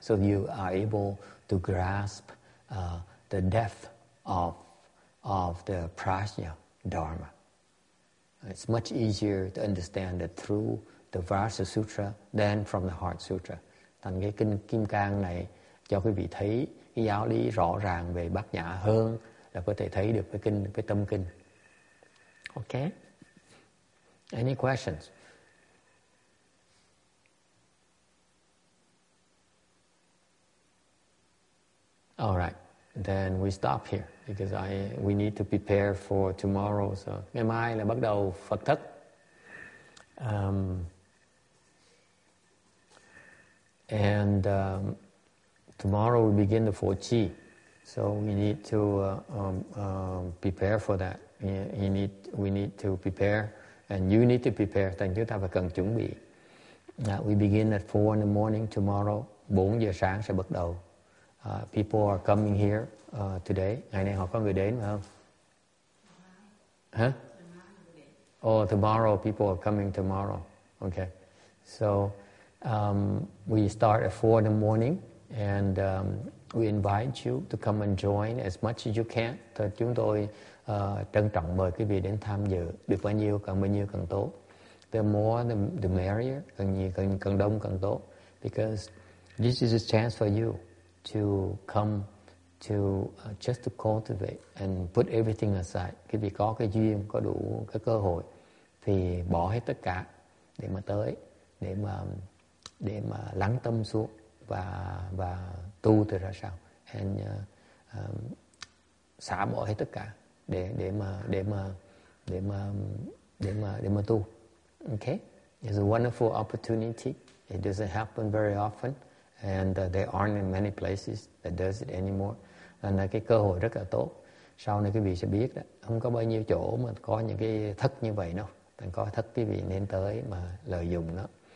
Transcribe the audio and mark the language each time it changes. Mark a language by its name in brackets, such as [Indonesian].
[English] So you are able to grasp the depth of the Prajna Dharma. It's much easier to understand it through the Vajra Sutra than from the Heart Sutra. [Vietnamese] Thành cái kinh Kim Cang này cho quý vị thấy cái giáo lý rõ ràng về Bát Nhã hơn là có thể thấy được cái Tâm Kinh. [English] Okay. Any questions? All right, then we stop here because we need to prepare for tomorrow. [Vietnamese] So ngày mai là bắt đầu Phật thất. [English] And tomorrow we begin the Fo Chi. So we need to prepare for that. We need to prepare, and you need to prepare. [Vietnamese] Thành chúng ta phải cần chuẩn bị. [English] We begin at 4 in the morning tomorrow. [Vietnamese] 4 giờ sáng sẽ bắt đầu. [English] People are coming here today. [Vietnamese] Ngày nay họ có người đến phải không? [English] Huh? Oh, tomorrow people are coming tomorrow. Okay. So we start at 4 in the morning, and we invite you to come and join as much as you can. [Vietnamese] Thật chúng tôi trân trọng mời quý vị đến tham dự. Được bao nhiêu càng tốt. [English] The more the merrier, [Vietnamese] càng nhiều, càng đông càng tốt. [English] Because this is a chance for you to come to just to cultivate and put everything aside. [Vietnamese] Quý vị có cái duyên, có đủ cái cơ hội thì bỏ hết tất cả để mà tới, để mà lắng tâm xuống và tu từ ra sao, and xả bỏ hết tất cả để mà tu. [English] Okay, it's a wonderful opportunity. It doesn't happen very often, and there aren't in many places that does it anymore. [Vietnamese] Nên là cái cơ hội rất là tốt. Sau này quý vị sẽ biết đó, không có bao nhiêu chỗ mà có những cái thất như vậy đâu. Thành có thất quý vị nên tới mà lợi dụng nó.